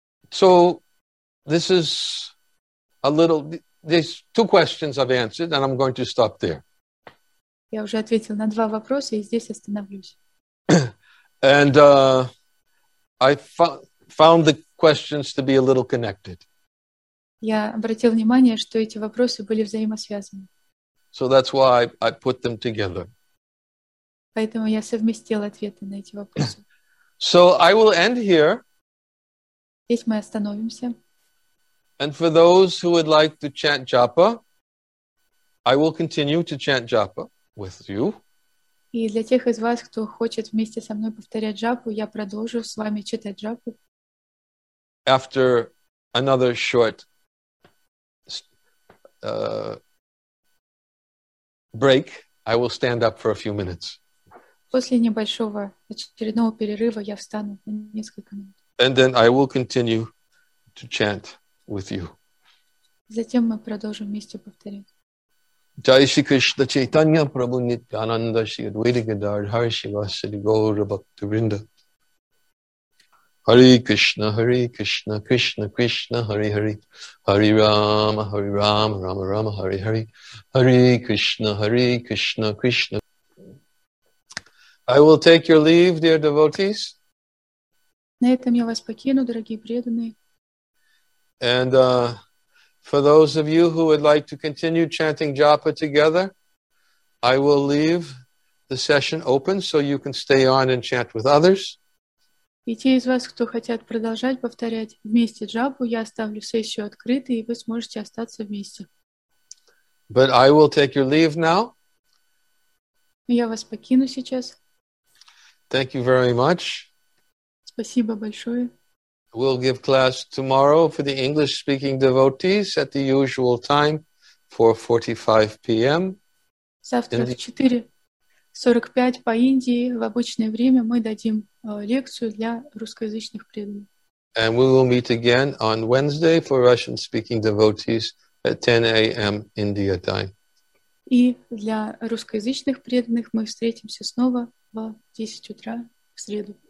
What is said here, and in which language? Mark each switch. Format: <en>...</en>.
<en>So, this is a little, there's two questions I've answered, and I'm going to stop there.</en> <ru>Я уже ответил на два вопроса, и здесь остановлюсь.</ru> <en>And I found the questions to be a little connected.</en> <ru>Я обратил внимание, что эти вопросы были взаимосвязаны.</ru> <en>So that's why I put them together.</en> <ru>Поэтому я совместил ответы на эти вопросы.</ru> <en>So I will end here.</en> <ru>Здесь мы остановимся.</ru> <en>And for those who would like to chant japa, I will continue to chant japa with you.</en> <ru>И для тех из вас, кто хочет вместе со мной повторять джапу, я продолжу с вами читать джапу.</ru> <en>After another short break, I will stand up for a few minutes.</en> <ru>После небольшого очередного перерыва я встану на несколько минут.</ru> <en>And then I will continue to chant with you.</en> <ru>Затем мы продолжим вместе повторять.</ru> <en>Jai Shri Krishna Chaitanya Prabhu Nityananda Shri Advaita Gadadhara Hare Shri Vasari Gaura Bhakti Vrinda Hare Krishna Krishna Krishna Hare Hare Hare Rama Rama Rama Hare Hare Hare Krishna Krishna Krishna. I will take your leave, dear devotees.</en> <ru>На этом я вас покину, дорогие преданные.</ru> <en>And for those of you who would like to continue chanting japa together, I will leave the session open so you can stay on and chant with others.</en> <ru>И те из вас, кто хотят продолжать повторять вместе джапу, я оставлю сессию открытой, и вы сможете остаться вместе.</ru> <en>But I will take your leave now.</en> <ru>Я вас покину сейчас.</ru> <en>Thank you very much.</en> <ru>Спасибо большое.</ru> <en>We'll give class tomorrow for the English-speaking devotees at the usual time, 4:45 p.m.</en> <ru>Завтра в 4:45 по Индии в обычное время мы дадим лекцию для русскоязычных преданных.</ru> <en>And we will meet again on Wednesday for Russian-speaking devotees at 10 a.m. India time.</en> <ru>И для русскоязычных преданных мы встретимся снова в 10 утра в среду.</ru>